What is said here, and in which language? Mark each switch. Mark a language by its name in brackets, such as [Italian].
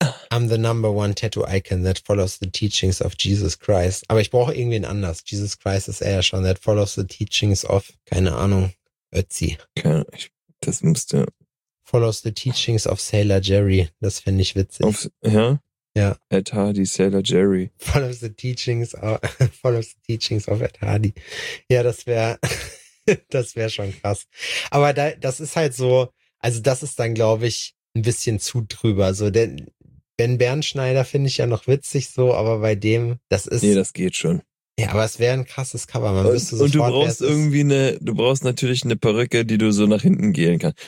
[English] I'm the number one tattoo icon that follows the teachings of Jesus Christ. [German] Aber ich brauche irgendwen anders. Jesus Christ ist er ja schon. [English] That follows the teachings of, [German] keine Ahnung, [English] Ötzi. [German] Das müsste. [English] Follows the teachings of Sailor Jerry. [German] Das fände ich witzig. Ja. Ed Hardy, Sailor Jerry. [English] Follows the teachings of Ed Hardy. [German] Ja, das wäre schon krass. Aber da, das ist halt so, also das ist dann, glaube ich, ein bisschen zu drüber. So, denn Ben Bernschneider finde ich ja noch witzig so, aber bei dem, das ist. Nee, das geht schon. Ja, aber es wäre ein krasses Cover. Du brauchst natürlich eine Perücke, die du so nach hinten gehen kannst.